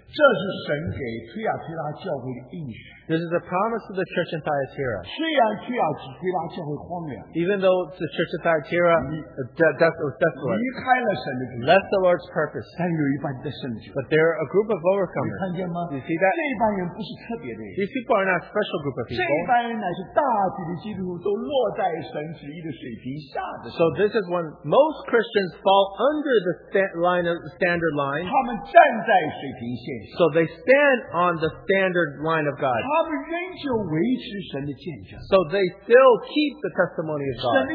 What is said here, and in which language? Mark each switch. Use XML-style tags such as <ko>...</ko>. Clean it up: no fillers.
<zh>这是神给推亚推拉教会的应许。</zh> <en>This is a promise to the church in Thyatira.</en> <zh>虽然推亚推拉教会荒凉</zh> <en>，even though the church in Thyatira desolate</en> <zh>离开了神的主</zh> <en>，left the Lord's purpose，</en> <zh>但有一半的圣徒</zh> <en>，but there are a group of overcomers.</en> <zh>你看见吗</zh> <en>？You see that？</en> <zh>这一帮人不是特别的人</zh> <en>，these people are not a special group of people.</en> <zh>这一帮人乃是大体的基督徒都落在神旨意的水平下的。</zh> <en>So this is when most Christians fall under the standard line.</en> <zh>他们</zh> <en>So they stand on the standard line of God. So they still keep the testimony of God.</en>